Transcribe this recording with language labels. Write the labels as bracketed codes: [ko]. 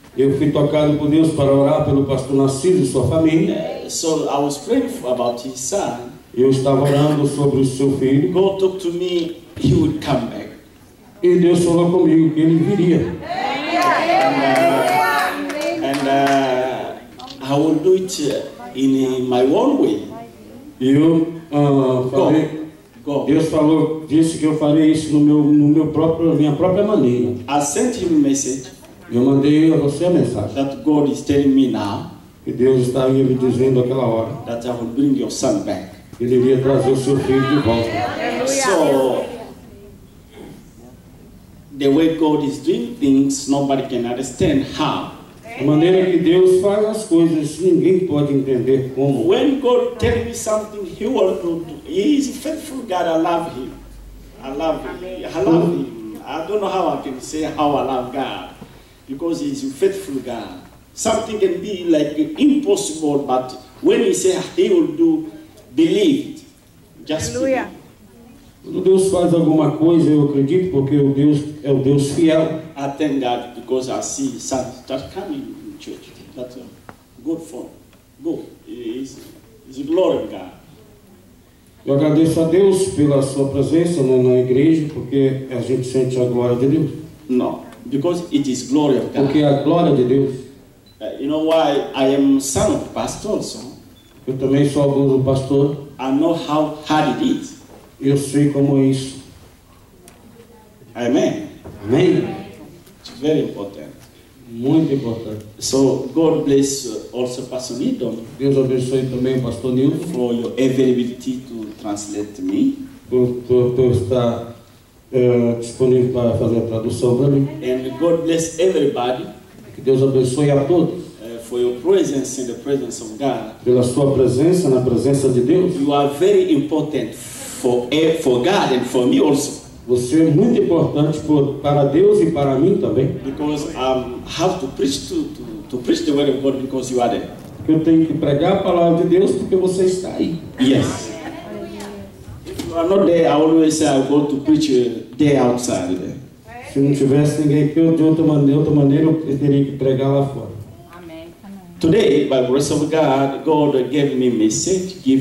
[pt] Eu fui tocado por Deus para orar pelo Pastor Narciso e sua família. [en] So I was praying about his son. [pt] Eu estava orando sobre o seu filho. [en] God talked to me, he would come back. [pt] E Deus falou comigo que ele viria. [en] And I will do it in my own way. [pt] Deus disse que eu farei isso na minha própria maneira. [en] I sent him a message. [pt] Eu mandei a você a mensagem. [en] That God is telling me now. [pt] Que Deus estava me dizendo aquela hora. [en] That I will bring your son back. [pt] Ele iria trazer o seu filho de volta. [en] So, the way God is doing things, nobody can understand how. [pt] A maneira que Deus faz as coisas, ninguém pode entender como. [en] When God tells me something, he will do. He is a faithful God. I love him. I love him. I don't know how I can say how I love God, because he is a faithful God. Something can be like impossible, but when he says he will do, believe it. Just believe. [pt] Quando Deus faz alguma coisa, eu acredito, porque o Deus é o Deus fiel. [en] I thank God because I see the sun start coming in church. That's a good form. It's a glory of God. [pt] Eu agradeço a Deus pela sua presença na igreja, porque a gente sente a glória de Deus. [en] No, because it is glory of God. [pt] Porque é a glória de Deus. [en] You know why I am son of pastor, so? [pt] Eu também sou algum do pastor. [en] I know how hard it is. [pt] Eu sei como é isso. Amém. Amém. [en] It's very important. [pt] Muito importante. [en] So God bless also Pastor Nilton. [pt] Deus abençoe também o Pastor Nilton. [en] For your availability to translate me. [pt] Por estar disponível para fazer a tradução para mim. [en] And God bless everybody. [pt] Que Deus abençoe a todos. [en] For your presence in the presence of God. [pt] Pela sua presença na presença de Deus. [en] You are very important. For God and for me also. [pt] Você é muito importante para Deus e para mim também. [en] Because I have to preach to preach the word of God because you are there. [pt] Eu tenho que pregar a palavra de Deus porque você está aí. [en] Yes. If you are not there, I always say I go to preach there outside. There. [pt] Se não tivesse ninguém aqui, de outra maneira eu teria que pregar lá fora. [en] Today, by the grace of God, God gave me message,